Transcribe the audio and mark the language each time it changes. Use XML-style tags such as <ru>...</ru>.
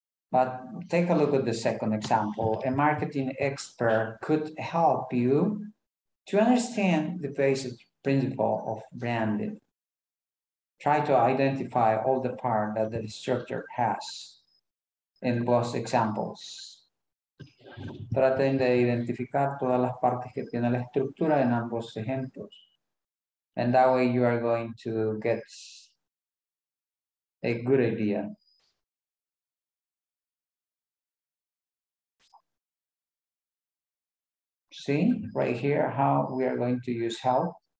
<en>But take a look at the second example. A marketing expert could help you to understand the basic principle of branding. Try to identify all the parts that the structure has in both examples.</en> <es>Traten de identificar todas las partes que tiene la estructura en ambos ejemplos.</es> <en>And that way you are going to get a good idea. See right here how we are going to use help.</en>